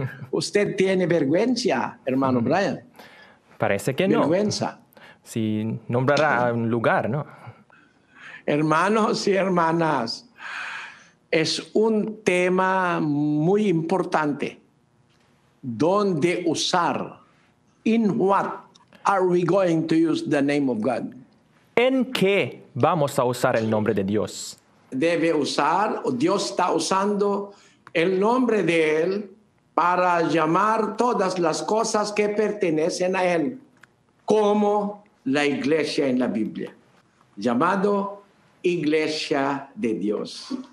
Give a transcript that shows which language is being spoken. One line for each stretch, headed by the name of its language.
Spanish: ¿Usted tiene vergüenza, hermano Brian? Parece que no. Vergüenza. Si nombrará un lugar, ¿no? Hermanos y hermanas, es un tema muy importante. ¿Dónde usar?
English: In what are we going to use the name of God?
Spanish: ¿En qué vamos a usar el nombre de Dios? Debe usar, o Dios está usando el nombre de Él para llamar todas las cosas que pertenecen a Él, como la iglesia en la Biblia, llamado Iglesia de Dios.